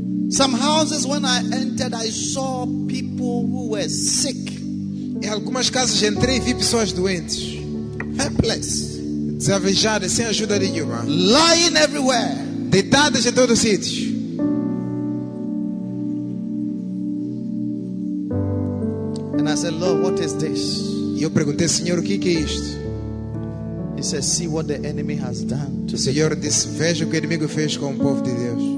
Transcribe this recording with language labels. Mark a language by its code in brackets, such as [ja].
[en] Some houses when I entered, I saw people who were sick. [pt] Em algumas casas entrei e vi pessoas doentes. [en] Helpless. [pt] Desavejadas, sem ajuda nenhuma. [en] Lying everywhere. [pt] Deitadas em todos os sítios. [en] And I said, Lord, what is this? [pt] E eu perguntei, Senhor, o que é isto? [en] He said, see what the enemy has done to [pt] o Senhor disse, veja o que o inimigo fez com o povo de Deus.